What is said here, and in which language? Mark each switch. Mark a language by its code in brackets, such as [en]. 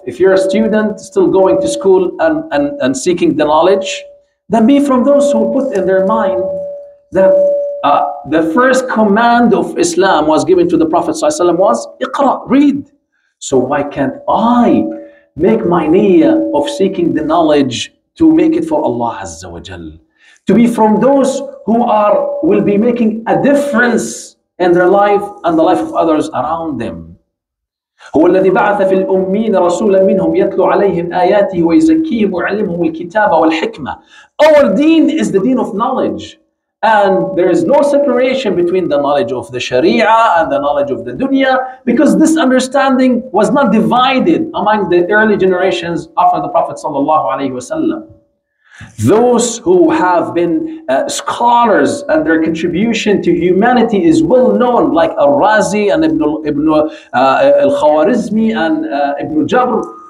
[en] If you're a student still going to school and seeking the knowledge, then be from those who put in their mind that the first command of Islam was given to the Prophet ﷺ was Iqra, read. So why can't I make my niyyah of seeking the knowledge to make it for Allah Azza wa Jal? To be from those who are will be making a difference in their life and the life of others around them. [ar] هو الذي بعث في الأمين رسولا منهم يتلو عليهم آياته ويزكيهم ويعلمهم الكتاب والحكمة. [en] Our deen is the deen of knowledge, and there is no separation between the knowledge of the Sharia and the knowledge of the dunya, because this understanding was not divided among the early generations after the Prophet sallallahu alaihi wasallam. Those who have been scholars and their contribution to humanity is well known, like Al-Razi and Ibn Al-Khawarizmi and Ibn Jabr.